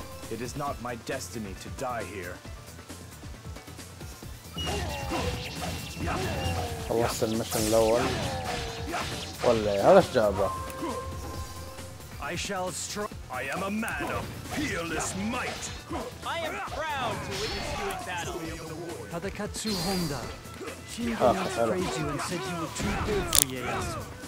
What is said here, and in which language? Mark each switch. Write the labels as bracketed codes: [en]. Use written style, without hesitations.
[en] It is not my destiny to die here. [ar] خلصت المشن الأول ولا هذا إيش جابه؟ [en] I shall strike. I am a man of peerless might. I am proud to witness you in battle. Tadakatsu Honda. Shinji praised you and said you were too good for Ieyasu.